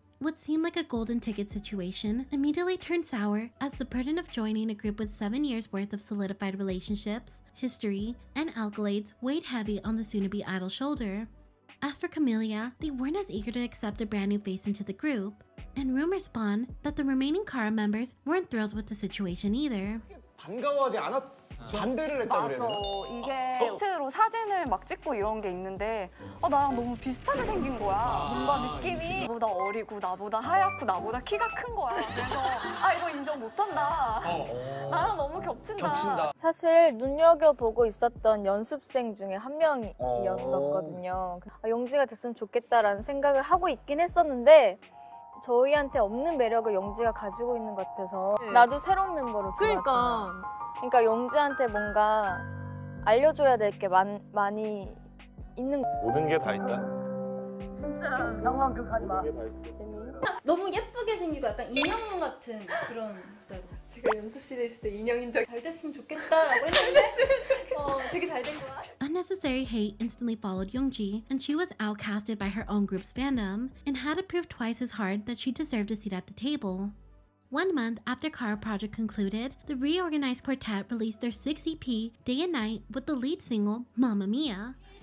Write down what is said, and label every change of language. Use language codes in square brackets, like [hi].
[en] What seemed like a golden ticket situation immediately turned sour as the burden of joining a group with 7 years worth of solidified relationships, history, and accolades weighed heavy on the soon-to-be idol's shoulder. As for Camellia, they weren't as eager to accept a brand new face into the group, and rumors spun that the remaining Kara members weren't thrilled with the situation either. [ko] 반가워하지 않았 반대를 했다 그래요. 맞아. 이게 힌트로 사진을 막 찍고 이런 게 있는데 나랑 너무 비슷하게 생긴 거야. 뭔가 느낌이 나보다 어리고 나보다 하얗고 나보다 키가 큰 거야. 그래서 이거 인정 못 한다. 나랑 너무 겹친다. 사실 눈여겨보고 있었던 연습생 중에 한 명이었었거든요. 용지가 됐으면 좋겠다라는 생각을 하고 있긴 했었는데 저희한테 없는 매력을 영지가 가지고 있는 것 같아서 나도 새로운 멤버로 들어왔잖아. 그러니까 영지한테 뭔가 알려줘야 될 게 많이 있는 모든 게 다 있다. 진짜 영광급 하지 마. 너무 예쁘게 생기고 약간 인형 같은 그런 제가 연습실에 있을 때 인형인 적 잘 됐으면 좋겠다라고 했는데 되게 잘 된 거야. [en] Unnecessary hate instantly followed Yongji, and she was outcasted by her own group's fandom, and had to prove twice as hard that she deserved a seat at the table. 1 month after Kara Project concluded, the reorganized quartet released their 6th EP, Day and Night, with the lead single, Mamma Mia.